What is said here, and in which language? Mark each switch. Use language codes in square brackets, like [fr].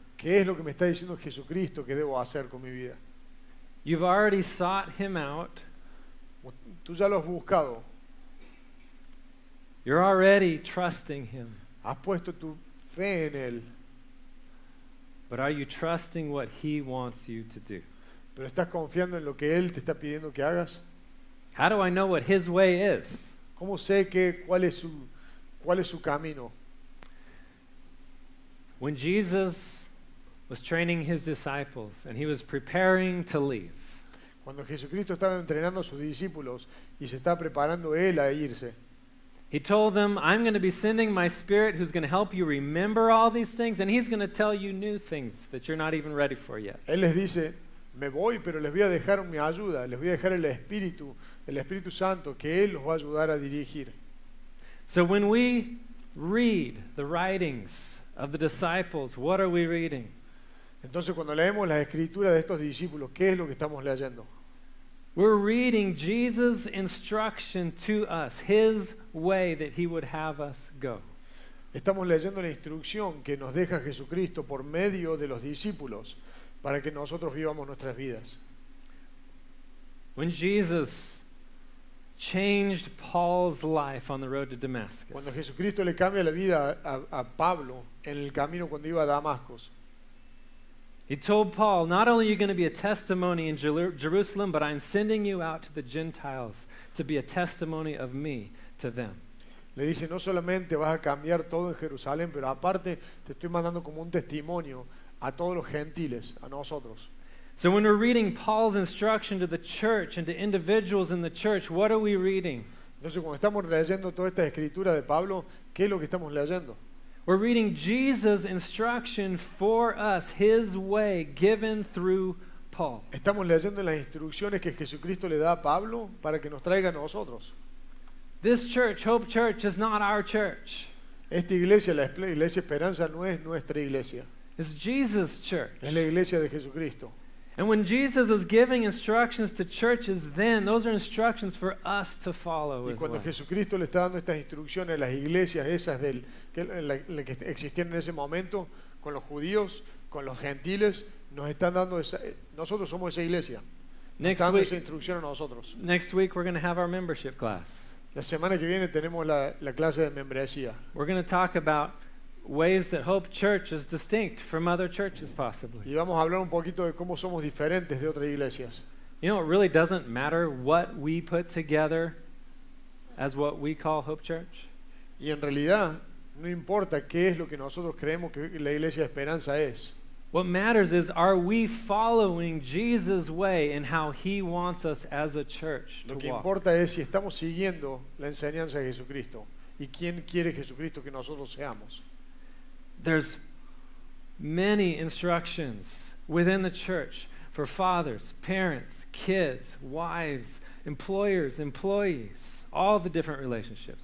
[es] ¿Qué es lo que me está diciendo Jesucristo que debo hacer con mi vida? [en] You've already sought him out. [es] Tú ya lo has buscado. [en] You're already trusting him. [es] Has puesto tu fe en él. [en] But are you trusting what he wants you to do? [es] ¿Pero estás confiando en lo que él te está pidiendo que hagas? [en] How do I know what his way is? [es] ¿Cómo sé que cuál es su camino? [en] When Jesus was training his disciples and he was preparing to leave. [es] Cuando Jesucristo estaba entrenando a sus discípulos y se estaba preparando él a irse. [en] He told them, "I'm going to be sending my spirit who's going to help you remember all these things, and he's going to tell you new things that you're not even ready for yet." [es] Él les dice, "Me voy, pero les voy a dejar mi ayuda, les voy a dejar el Espíritu Santo, que él los va a ayudar a dirigir." [en] So when we read the writings of the disciples, what are we reading? [es] Entonces cuando leemos las escrituras de estos discípulos, ¿qué es lo que estamos leyendo? [en] We're reading Jesus' instruction to us, his way that he would have us go. [es] Estamos leyendo la instrucción que nos deja Jesucristo por medio de los discípulos para que nosotros vivamos nuestras vidas. [en] When Jesus changed Paul's life on the road to Damascus. [es] Cuando Jesucristo le cambia la vida a Pablo en el camino cuando iba a Damasco. [en] He told Paul, "Not only are you going to be a testimony in Jerusalem, but I'm sending you out to the Gentiles to be a testimony of me to them." [es] Le dice, no solamente vas a cambiar todo en Jerusalén, pero aparte te estoy mandando como un testimonio a todos los gentiles, a nosotros. [en] So when we're reading Paul's instruction to the church and to individuals in the church, what are we reading? [es] Entonces cuando estamos leyendo toda esta escritura de Pablo, ¿qué es lo que estamos leyendo? [en] We're reading Jesus' instruction for us, his way given through Paul. [es] Estamos leyendo las instrucciones que Jesucristo le da a Pablo para que nos traiga a nosotros. [en] This church, Hope Church, is not our church. [es] Esta iglesia, la iglesia Esperanza, no es nuestra iglesia. [en] It's Jesus' church. [es] Es la iglesia de Jesucristo. [en] And when Jesus was giving instructions to churches then, those are instructions for us to follow as well. [es] Y cuando Jesucristo le está dando estas instrucciones a las iglesias esas del que existían en ese momento con los judíos, con los gentiles, nos están dando esa, nosotros somos esa iglesia. [en] Next week we're going to have our membership class. [es] La semana que viene tenemos la clase de membresía. [en] We're going to talk about ways that Hope Church is distinct from other churches, possibly. [es] Y vamos a hablar un poquito de cómo somos diferentes de otras iglesias. [en] You know, it really doesn't matter what we put together as what we call Hope Church. [es] Y en realidad no importa qué es lo que nosotros creemos que la Iglesia de Esperanza es. [en] What matters is, are we following Jesus' way in how He wants us as a church to walk? [es] Lo que importa es si estamos siguiendo la enseñanza de Jesucristo y quién quiere Jesucristo que nosotros seamos. [en] There's many instructions within the church for fathers, parents, kids, wives, employers, employees, all the different relationships.